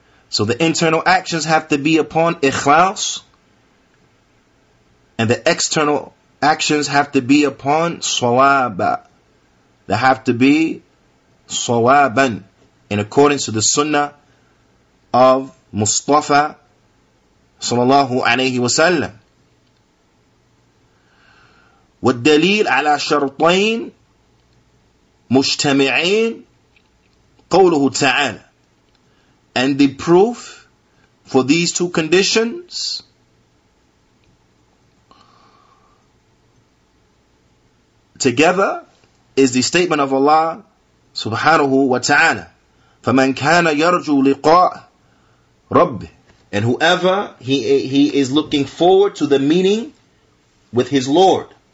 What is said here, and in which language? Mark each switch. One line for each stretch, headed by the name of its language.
English: So the internal actions have to be upon ikhlas, and the external actions have to be upon sawaba. They have to be sawaban in accordance to the sunnah of Mustafa sallallahu alayhi wa sallam.
Arabic: والدليل على شرطين مجتمعين قوله تعالى.
English: And the proof for these two conditions together is the statement of Allah subhanahu wa ta'ala.
Arabic: فمن كان يرجو لقاء ربه,
English: and whoever he is looking forward to the meeting with his Lord.